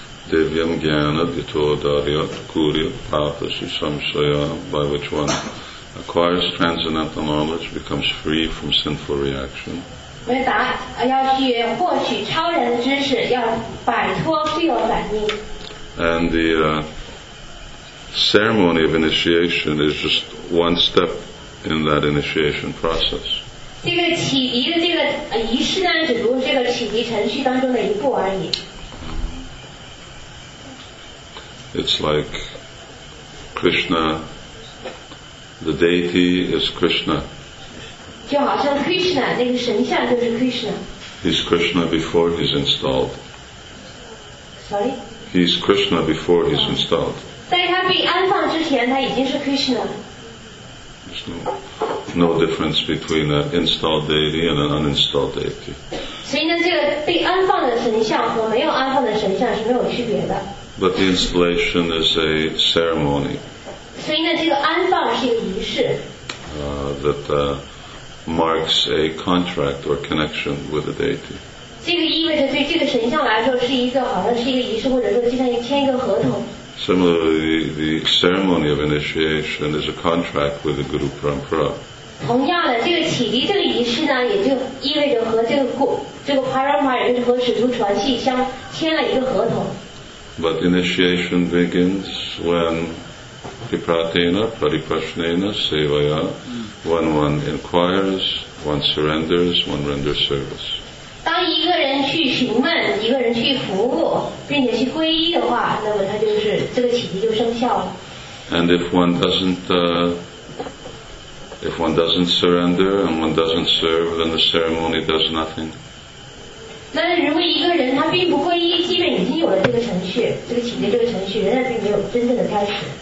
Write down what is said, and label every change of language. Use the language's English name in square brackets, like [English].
[Sanskrit] Devyam jnana dito dharyat kuri patasi samsaya, [English] by which one acquires transcendental knowledge, becomes free from sinful reaction. [Chinese] 为达要去获取超人的知识，要摆脱罪恶反应。 [English] And the ceremony of initiation is just one step in that initiation process. [Chinese] 这个启迪的这个仪式呢，只不过这个启迪程序当中的一步而已。 [English] It's like Krishna, the deity is Krishna. [Chinese] 就好像 Krishna 那个神像就是 Krishna. [English] He's Krishna before he's installed. Sorry? He's Krishna before he's installed. [Chinese] 在他被安放之前，他已经是 Krishna. [English] There's no difference between an installed deity and an uninstalled deity. [Chinese] 所以呢，这个被安放的神像和没有安放的神像是没有区别的。 [English] But the installation is a ceremony. [Chinese] 所以呢，这个安放是一个仪式。 [English] That marks a contract or connection with the deity. [Chinese] 这个意味着对这个神像来说是一个好像是一个仪式，或者说就像签一个合同。 [English] Similarly, the ceremony of initiation is a contract with the Guru Parampara. [Chinese] 同样的，这个启迪这个仪式呢，也就意味着和这个 Parampara 也就是和始祖传系相签了一个合同。 [English] But initiation begins when [Sanskrit] Pipratena, Pariprasnena, Sevaya, [English] when one inquires, one surrenders, one renders service. [Chinese] 当一个人去询问，一个人去服务，并且去皈依的话，那么他就是这个启迪就生效了。 [English] And if one doesn't, if one doesn't surrender and one doesn't serve, then the ceremony does nothing. [Chinese] 那如果一个人他并不皈依，即便已经有了这个程序，这个启迪这个程序仍然并没有真正的开始。